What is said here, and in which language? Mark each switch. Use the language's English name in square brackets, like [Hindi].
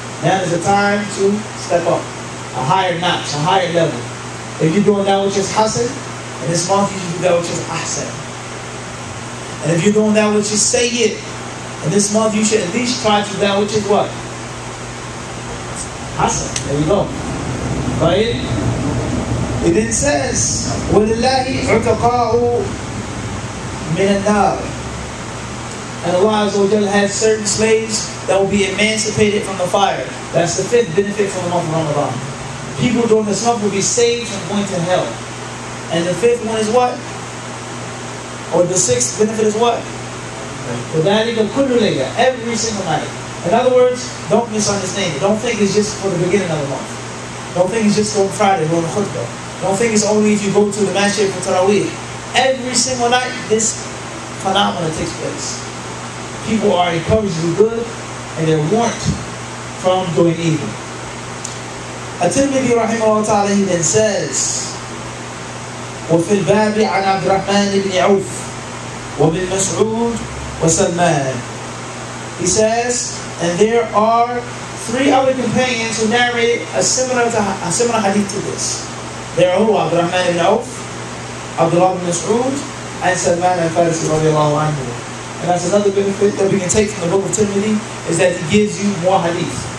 [English] Now is the time to step up, a higher notch, a higher level. If you're doing that which is hasan, and this month you should do that which is ahsan. And if you're doing that which is sayyid, and this month you should at least try to do that which is what? Hasan. There you go. Right? It then says, [Arabic] وَلِلَّهِ عُتَقَاءُ مِنَ النَّارِ. [English] And Allah Azza wa Jalla has certain slaves that will be emancipated from the fire. That's the fifth benefit from the month of Ramadan. People during this month will be saved from going to hell. And the fifth one is what? Or the sixth benefit is what? Kudalika kudulika, every single night. In other words, don't misunderstand it. Don't think it's just for the beginning of the month. Don't think it's just on Friday, going to khutbah. Don't think it's only if you go to the masjid for Taraweeh. Every single night, this phenomenon takes place. People are encouraged to do good, and they're warned from doing evil. At-Tirmidhi rahimahullah ta'ala, he then says, [Arabic] وَفِي الْبَابِ عَنْ عَبْدِ الرَّحْمَنِ بْنِ عَوْفِ وَبِنْ مَسْعُودِ وَسَلْمَانِ. [English] He says, and there are three other companions who narrate a similar hadith to this. They are who? Abd al-Rahman ibn Auf, Abdullah ibn Mas'ud, and Salman al-Farisi radiallahu anhu. And that's another benefit that we can take from the book of Tirmidhi, is that it gives you more hadith.